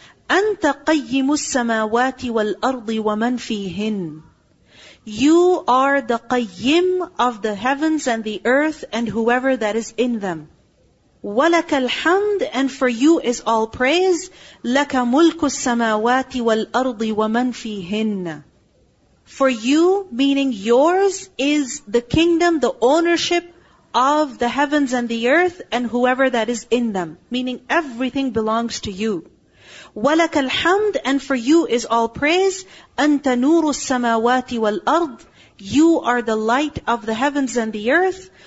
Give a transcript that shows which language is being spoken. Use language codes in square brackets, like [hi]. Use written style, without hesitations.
[ar] أنت قيم السماوات والأرض ومن فيهن. [en] You are the قيم of the heavens and the earth and whoever that is in them. [ar] ولك الحمد, [en] and for you is all praise. [ar] لك ملك السماوات والأرض ومن فيهن. [en] For you, meaning yours, is the kingdom, the ownership of the heavens and the earth and whoever that is in them. Meaning everything belongs to you. [ar] وَلَكَ الْحَمْدِ, [en] and for you is all praise. [ar] أَنْتَ نُورُ السَّمَاوَاتِ وَالْأَرْضِ, [en] you are the light of the heavens and the earth.